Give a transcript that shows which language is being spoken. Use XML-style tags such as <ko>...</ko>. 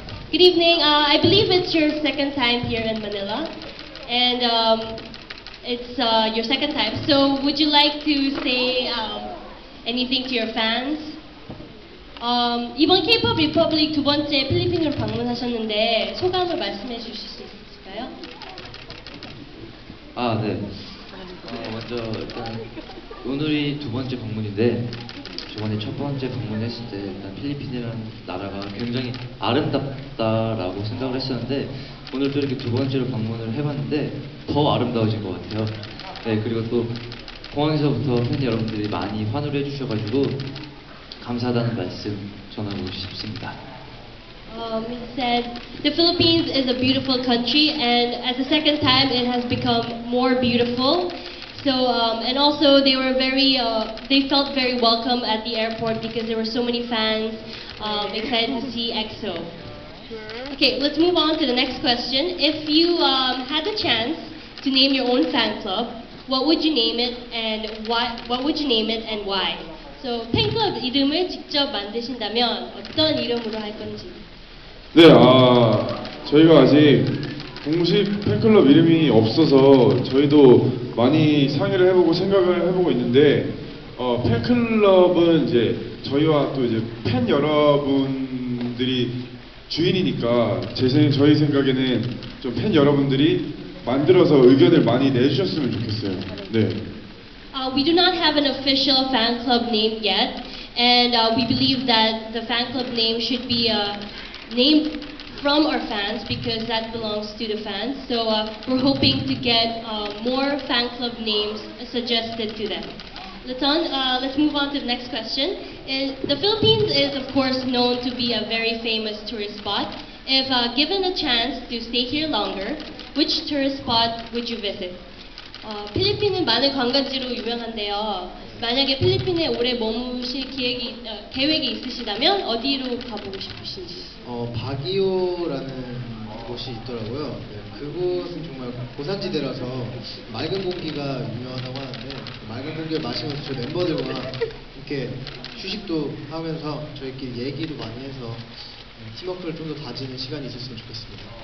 <en>Good evening. I believe it's your second time here in Manila. And it's your second time. So, would you like to say anything to your fans?</en> <ko>이번 K-pop Republic 두 번째 필리핀으로 방문하셨는데 소감을 말씀해 주실 수 있을까요? 아, 네. 먼저 일단 오늘이 두 번째 방문인데 저번에 첫 번째 방문했을 때 일단 필리핀이라는 나라가 굉장히 아름답다라고 생각을 했었는데 오늘 또 이렇게 두 번째로 방문을 해봤는데 더 아름다워진 것 같아요. 네, 그리고 또 공항에서부터 팬 여러분들이 많이 환호를 해주셔가지고 감사하다는 말씀 전하고 싶습니다.</ko> <en>He said the Philippines is a beautiful country, and as a second time, it has become more beautiful. So, and also they were very, they felt very welcome at the airport because there were so many fans excited to see EXO. Okay, let's move on to the next question. If you had the chance to name your own fan club, what would you name it, and what would you name it, and why?</en> <ko>So, 팬클럽 이름을 직접 만드신다면 어떤 이름으로 할 건지? 네, 저희가 아직 공식 팬클럽 이름이 없어서 저희도 많이 상의를 해보고 생각을 해보고 있는데 팬클럽은 이제 저희와 또 이제 팬 여러분들이 주인이니까 저희 생각에는 좀 팬 여러분들이 만들어서 의견을 많이 내주셨으면 좋겠어요. 네.</ko> <en>We do not have an official fan club name yet, and we believe that the fan club name should be a name from our fans because that belongs to the fans. So we're hoping to get more fan club names suggested to them. Let's move on to the next question. The Philippines is, of course, known to be a very famous tourist spot. If given a chance to stay here longer, which tourist spot would you visit?</en> <ko>필리핀은 많은 관광지로 유명한데요. 만약에 필리핀에 오래 머무실 계획이 있으시다면 어디로 가보고 싶으신지? 바기오라는 곳이 있더라고요. 네, 그곳은 정말 고산지대라서 맑은 공기가 유명하다고 하는데 맑은 공기를 마시면서 저희 멤버들과 이렇게 휴식도 하면서 저희끼리 얘기도 많이 해서 팀워크를 좀 더 다지는 시간이 있었으면 좋겠습니다.</ko>